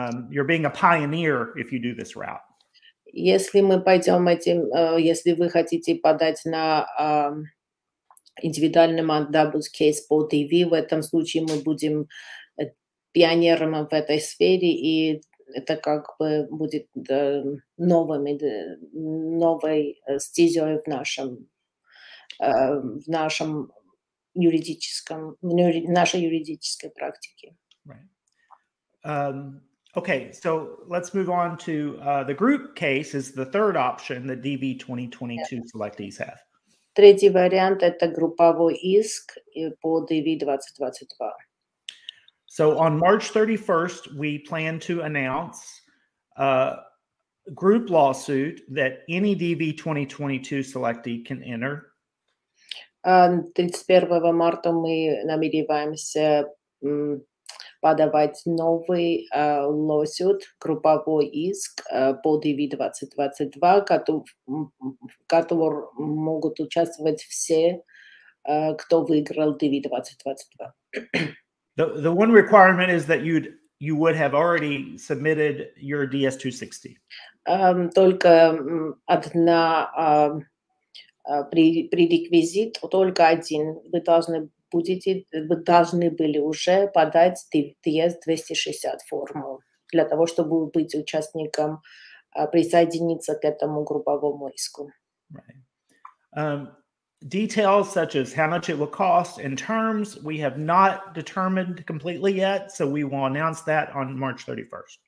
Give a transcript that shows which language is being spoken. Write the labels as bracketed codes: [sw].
[en] You're being a pioneer if you do this route. [ru] Если мы пойдем этим, если вы хотите подать на индивидуальный мандамус кейс по DV, в этом случае мы будем пионером в этой сфере, и это как бы будет новой стезей в нашей юридической практике. [en] Okay, so let's move on to the group case is the third option that DV 2022 selectees have. [ru] Третий вариант — это групповой иск по DV 2022. [en] So on March 31st, we plan to announce a group lawsuit that any DV 2022 selectee can enter. [ru] 31 марта мы намереваемся подавать новый lawsuit, групповой иск по DV 2022, в котором могут участвовать все, кто выиграл DV 2022. [en] The one requirement is that you would have already submitted your DS 260. [ru] Только одна при реквизит, только один вы должны будете, вы должны были уже подать DS-260 форму для того, чтобы быть участником, присоединиться к этому групповому иску. [en] Right. Details such as how much it will cost in terms, we have not determined completely yet, so we will announce that on March 31st.